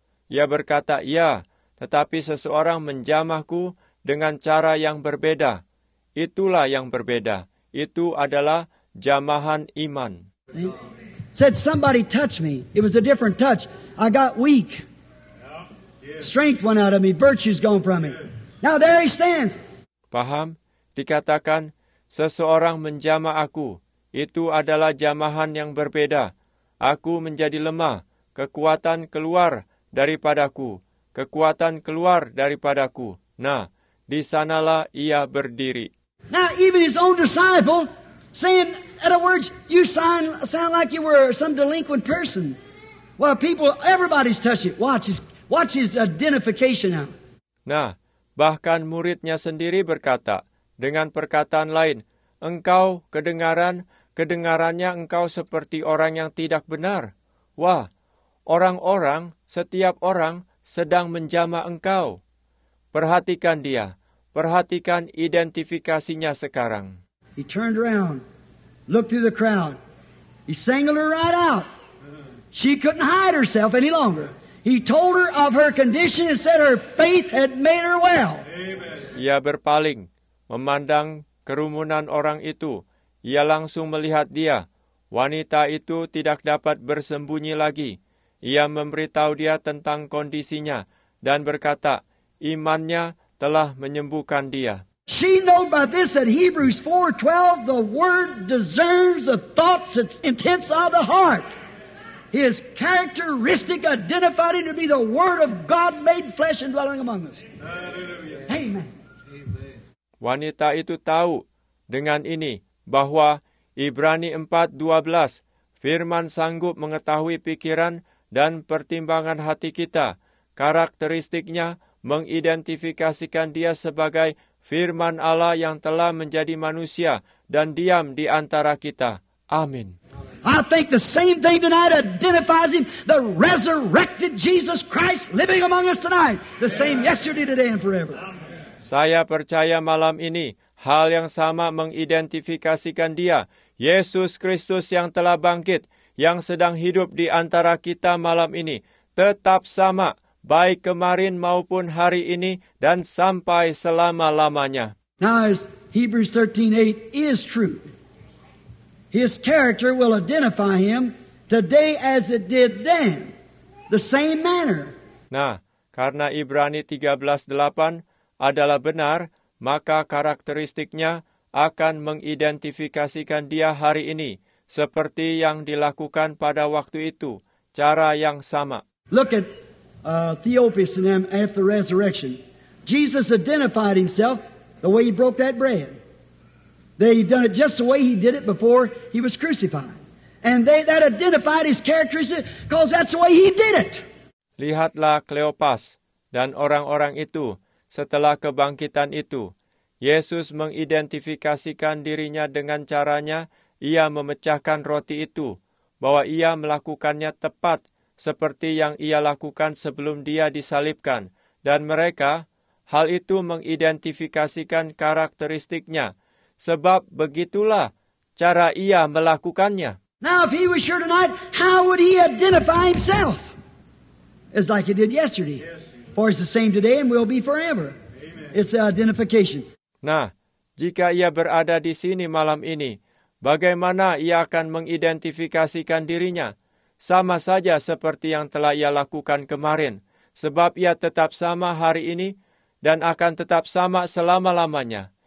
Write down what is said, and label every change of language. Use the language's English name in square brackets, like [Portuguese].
[Indonesian] Ia berkata, ya, tetapi seseorang menjamahku dengan cara yang berbeda. Itulah yang berbeda. Itu adalah jamahan iman. [English] Said somebody touched me. It was a different touch. I got weak. Strength went out of me. Virtue's gone from me. Now there he stands. [Indonesian] Paham? Dikatakan, seseorang menjamah aku. Itu adalah jamahan yang berbeda. Aku menjadi lemah. Kekuatan keluar daripadaku. Kekuatan keluar daripadaku. Nah, di sanalah ia berdiri. [English] Now even his own disciple saying, in other words, you sound like you were some delinquent person. Well, people, everybody's touched it. Watch his identification now. [Indonesian] Nah, bahkan muridnya sendiri berkata, dengan perkataan lain, engkau kedengarannya engkau seperti orang yang tidak benar. Wah, orang-orang, setiap orang sedang menjamah engkau. Perhatikan dia. Perhatikan identifikasinya sekarang. [English] He turned around, looked through the crowd. He singled her right out. She couldn't hide herself any longer. He told her of her condition and said her faith had made her well. [Indonesian] Ia berpaling, memandang kerumunan orang itu. Ia langsung melihat dia. Wanita itu tidak dapat bersembunyi lagi. Ia memberitahu dia tentang kondisinya dan berkata, imannya telah menyembuhkan dia. [English] She knows by this that Hebrews 4:12, the word discerns the thoughts, its intents of the heart. His characteristic identified him to be the Word of God made flesh and dwelling among us. Amen. Amen. [Indonesian] Wanita itu tahu dengan ini bahwa Ibrani 4:12, firman sanggup mengetahui pikiran dan pertimbangan hati kita. Karakteristiknya mengidentifikasikan dia sebagai firman Allah yang telah menjadi manusia dan diam di antara kita. Amin. [English] I think the same thing tonight identifies him, the resurrected Jesus Christ living among us tonight. The same yesterday, today, and forever. [Indonesian] Saya percaya malam ini, hal yang sama mengidentifikasikan dia, Yesus Kristus yang telah bangkit, yang sedang hidup di antara kita malam ini, tetap sama, baik kemarin maupun hari ini, dan sampai selama-lamanya. [English] Now, as Hebrews 13:8 is true, His character will identify him today as it did then, the same manner. [Indonesian] Nah, karena Ibrani 13:8 adalah benar, maka karakteristiknya akan mengidentifikasikan dia hari ini, seperti yang dilakukan pada waktu itu, cara yang sama. [English] Look at Theophilus and them at the resurrection. Jesus identified himself the way he broke that bread. They had done it just the way he did it before he was crucified. And that identified his characteristic because that's the way he did it. [Indonesian] Lihatlah Kleopas dan orang-orang itu setelah kebangkitan itu. Yesus mengidentifikasikan dirinya dengan caranya ia memecahkan roti itu, bahwa ia melakukannya tepat seperti yang ia lakukan sebelum dia disalibkan. Dan mereka, hal itu mengidentifikasikan karakteristiknya. Sebab begitulah cara ia melakukannya. [English] Now, if he was here tonight, how would he identify himself? It's like he did yesterday. Yes. For it's the same today and will be forever. Amen. It's the identification. [Indonesian] Nah, jika ia berada di sini malam ini, bagaimana ia akan mengidentifikasikan dirinya? Sama saja seperti yang telah ia lakukan kemarin. Sebab ia tetap sama hari ini dan akan tetap sama selama-lamanya.